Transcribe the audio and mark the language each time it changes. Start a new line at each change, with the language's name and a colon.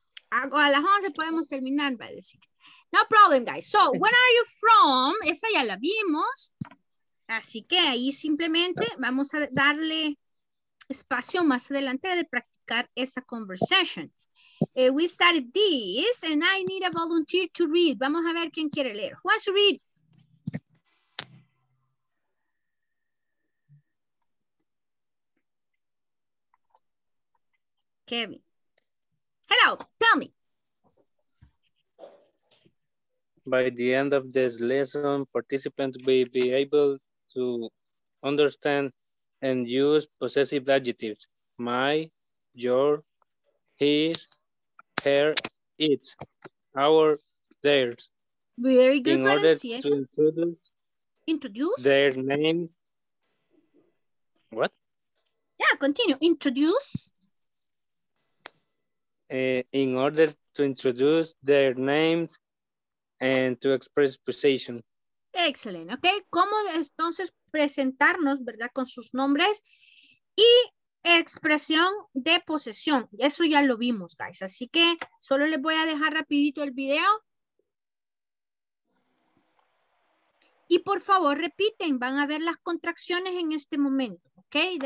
Spanish: Hago a las 11, podemos terminar, va a decir.
English: No problem, guys. So, where are you from?
Spanish: Esa ya la vimos. Así que ahí simplemente vamos a darle espacio más adelante de practicar esa conversación.
English: We started this and I need a volunteer to read.
Spanish: Vamos a ver quién quiere leer.
English: Who wants to read? Kevin. Hello, tell me. By the end of this lesson, participants will be able to understand and use possessive adjectives. My, your, his, her, it, our, theirs. Very good. In order to introduce their names. What? Yeah, continue. Introduce. In order to introduce their names and to express position.
Spanish: Excelente, ok. ¿Cómo entonces presentarnos, verdad, con sus nombres y expresión de posesión? Eso ya lo vimos, guys. Así que solo les voy a dejar rapidito el video. Y por favor, repiten, van a ver las contracciones en este momento, ok.